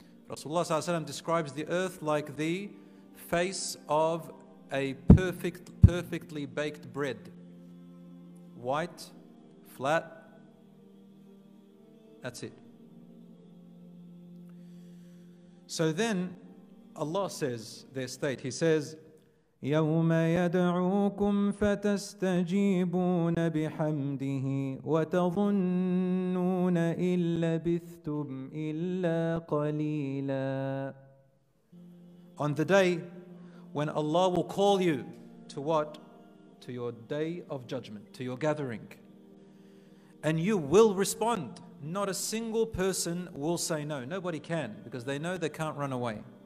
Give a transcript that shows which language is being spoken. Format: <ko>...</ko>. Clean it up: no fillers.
<en>Rasulullah ﷺ describes the earth like the face of a perfectly baked bread. White, flat, that's it. So then Allah says their state. He says,</en> <ar>يَوْمَ يَدْعُوكُمْ فَتَسْتَجِيبُونَ بِحَمْدِهِ وَتَظُنُّونَ إِلَّا بِثْتُمْ إِلَّا قَلِيلًا.</ar> <en>On the day when Allah will call you to what? To your day of judgment, to your gathering. And you will respond. Not a single person will say no. Nobody can, because they know they can't run away.</en>